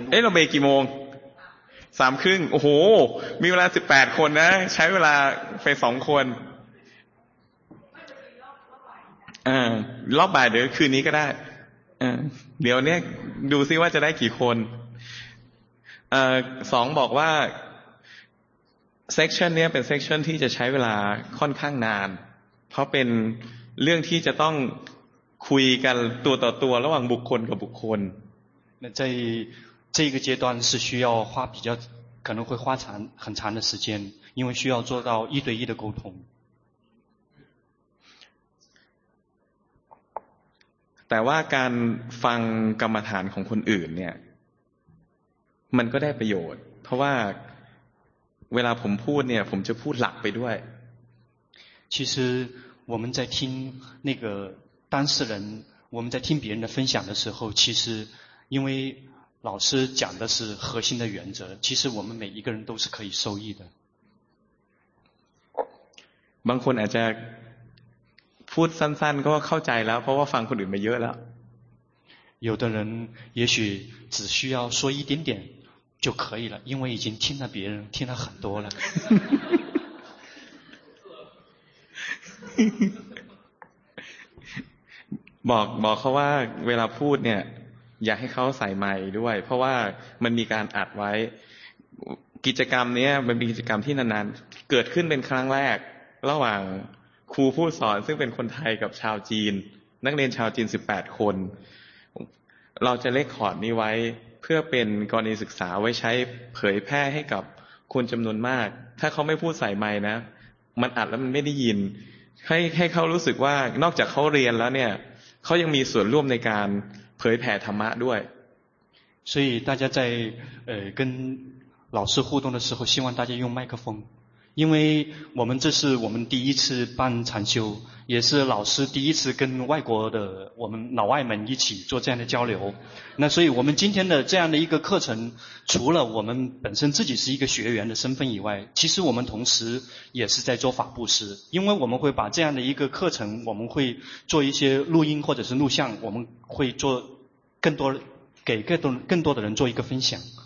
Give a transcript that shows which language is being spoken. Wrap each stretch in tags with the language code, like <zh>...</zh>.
<th>เอ้ยเราเบรกกี่โมง3ครึ่งโอ้โหมีเวลา18คนนะใช้เวลาไป2คนรอบบ่ายเดี๋ยวคืนนี้ก็ได้เดี๋ยวเนี่ยดูซิว่าจะได้กี่คน สองบอกว่าเซกชันนี้เป็นเซกชันที่จะใช้เวลาค่อนข้างนานเพราะเป็นเรื่องที่จะต้องคุยกันตัวต่อตัวระหว่างบุคคลกับบุคคล</th> <zh>那在这个阶段是需要花比较可能会花长很长的时间因为需要做到一对一的沟通</zh> <th>แต่ว่าการฟังกรรมฐานของคนอื่นเนี่ยมันก็ได้ประโยชน์เพราะว่าเวลาผมพูดเนี่ยผมจะพูดหลักไปด้วย</th> <zh>其实我们在听那个当事人我们在听别人的分享的时候其实因为老师讲的是核心的原则其实我们每一个人都是可以受益的</zh> <th>บางคนอาจจะพูดสั้นๆก็เข้าใจแล้วเพราะว่าฟังคนอื่นมาเยอะแล้ว</th> <zh>有的人也许只需要说一点点就可以了因为已经听了别人听了很多了</zh> <th>บอกเขาว่าเวลาพูดเนี่ยอย่าให้เขาใส่ไมค์ด้วยเพราะว่ามันมีการอัดไว้กิจกรรมเนี้ยมันมีกิจกรรมที่นานๆเกิดขึ้นเป็นครั้งแรกระหว่างครูผู้สอนซึ่งเป็นคนไทยกับชาวจีนนักเรียนชาวจีน18คน เราจะเรคคอร์ดนี้ไว้เพื่อเป็นกรณีศึกษาไว้ใช้เผยแพร่ให้กับคนจำนวนมากถ้าเขาไม่พูดใส่ไมค์นะมันอัดแล้วมันไม่ได้ยินให้เขารู้สึกว่านอกจากเขาเรียนแล้วเนี่ยเขายังมีส่วนร่วมในการเผยแผ่ธรรมะด้วย</th> <zh>所以大家在跟老师互动的时候希望大家用麦克风因为我们这是我们第一次办禅修也是老师第一次跟外国的我们老外们一起做这样的交流那所以我们今天的这样的一个课程除了我们本身自己是一个学员的身份以外其实我们同时也是在做法布施因为我们会把这样的一个课程我们会做一些录音或者是录像我们会做更多给更多的人做一个分享</zh>